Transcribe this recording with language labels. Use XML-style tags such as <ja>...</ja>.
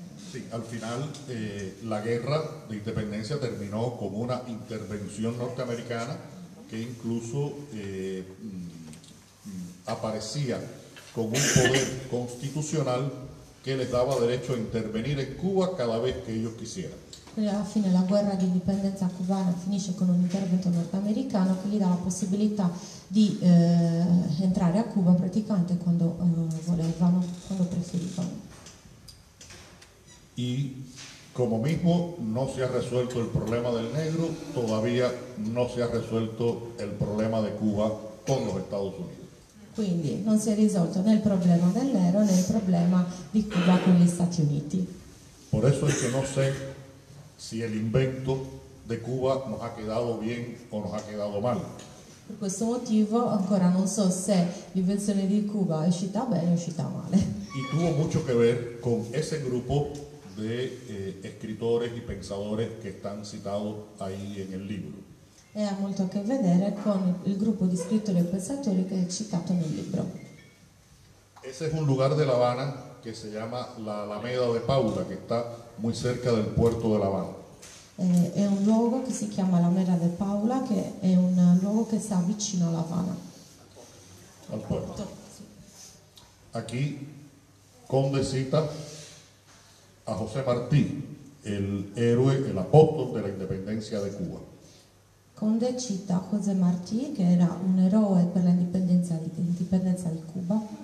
<es>sí, al final la guerra de independencia terminó con una intervención norteamericana que incluso aparecía con un poder constitucional que les daba derecho a intervenir en Cuba cada vez que ellos quisieran.</es> <it>Quindi alla fine la guerra di indipendenza cubana finisce con un intervento nordamericano che gli dà la possibilità di entrare a Cuba praticamente quando volevano, quando preferivano.</it> <es>Y como mismo no se ha resuelto el problema del negro, todavía no se ha resuelto el problema de Cuba con los Estados Unidos.</es> <it>Quindi non si è risolto né il problema del nero né il problema di Cuba con gli Stati Uniti.</it> <es>Por eso es que no sé si el invento de Cuba nos ha quedado bien o nos ha quedado mal.</es> <it>Per questo motivo ancora non so se l'invenzione di Cuba è uscita bene o è uscita male.</it> <es>Y tuvo mucho que ver con ese grupo de escritores y pensadores que están citados ahí en el libro.</es> <it>E ha molto a che vedere con il gruppo di scrittori e pensatori che è citato nel libro.</it> <es>Ese es un lugar de La Habana que se llama la Alameda de Paula, que está muy cerca del puerto de La Habana.</es> <it>È un luogo che si chiama la Alameda de Paula, che è un luogo che sta vicino a La Habana.</it> <es>Al puerto. Aquí Conde cita a José Martí, el héroe, el apóstol de la independencia de Cuba. Conde cita a José Martí, que era un héroe por la independencia de Cuba.</es>